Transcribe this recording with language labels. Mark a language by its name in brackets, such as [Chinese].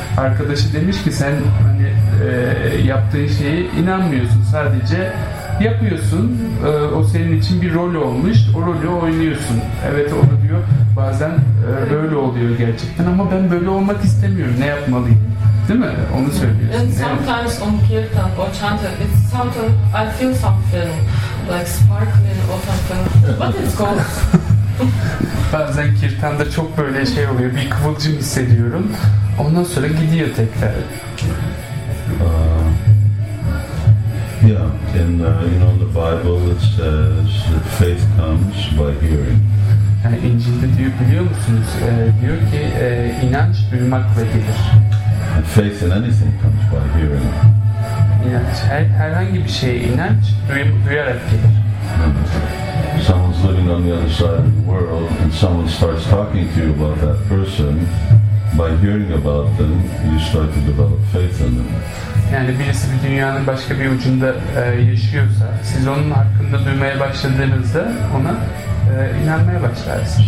[Turkish] Arkadaşı demiş ki sen hani yaptığın şeye inanmıyorsun, sadece yapıyorsun, o senin için bir rol olmuş, o rolü oynuyorsun. Evet, onu diyor, bazen böyle oluyor gerçekten ama ben böyle olmak istemiyorum, ne yapmalıyım? Değil mi? Onu söylüyorsun. [English] And sometimes on kirtan or chanting, it's something, I feel something like sparkling or something, but it's cold. [Turkish] Bazen kirtanda çok böyle şey oluyor, bir kıvılcım hissediyorum, ondan sonra gidiyor tekrar. [English] Yeah, and you know the Bible it says that faith comes by hearing. [Turkish] İncil'de diyor, biliyor musunuz? Diyor ki inanç duymakla gelir. [English] And faith in anything comes by hearing. [Turkish] İnanç, herhangi bir şeye inanç duyarak gelir. [English] Someone's living on the other side of the world and someone starts talking to you about that person. By hearing about them, you start to develop faith in them. [Turkish] Yani birisi bir dünyanın başka bir ucunda yaşıyorsa, siz onun hakkında duymaya başladığınızda ona inanmaya başlarsınız.